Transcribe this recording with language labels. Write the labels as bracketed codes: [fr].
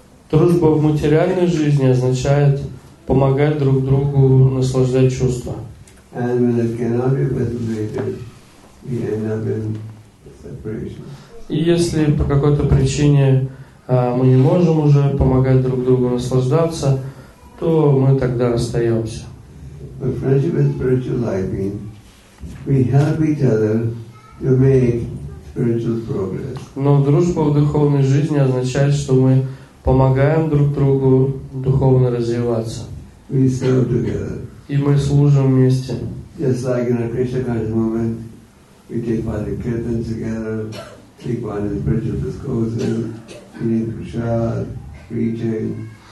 [ru] Дружба в материальной жизни означает помогать друг другу наслаждать чувства. [en] And when it cannot be facilitated, we end up in separation. [ru] И если по какой-то причине мы не можем уже помогать друг другу наслаждаться, то мы тогда расстаемся. [en] But friendship and spiritual life means we help each other to make spiritual progress. [ru] Но дружба в духовной жизни означает, что мы помогаем друг другу духовно развиваться. [en] We serve together. [ru] И мы служим вместе. [en] Just like in a Krishna conscious movement, we take part in kirtan together, take part in spiritual discourses, reading prasad, preaching.